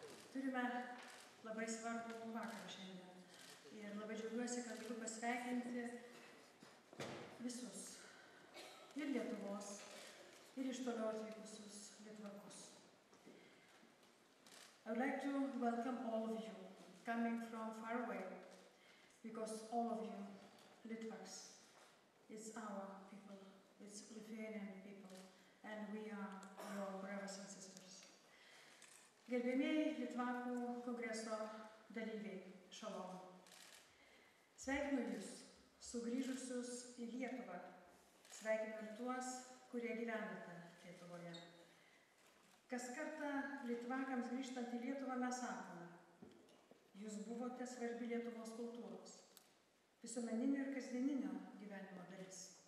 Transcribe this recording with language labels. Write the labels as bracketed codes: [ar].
[lt] Turime labai svarbų vakarą šiandien. Ir labai džiaugiuosi, kad galiu pasveikinti visus. Ir Lietuvos, ir iš toliau atvykusius litvakus. [en] I would like to welcome all of you coming from far away, because all of you, Litvaks, it's our people, it's Lithuanian people, and we are your brothers and sisters. [lt] Gerbiamieji Litvakų kongreso dalyviai, šalom. Sveikinu jūs sugrįžusius į Lietuvą. Sveikinu tuos, kurie gyvenate Lietuvoje. Kas kartą Litvakams grįžtant į Lietuvą mes sakome, jūs buvote svarbi Lietuvos kultūros, visuomeninio ir kasdieninio gyvenimo dalis.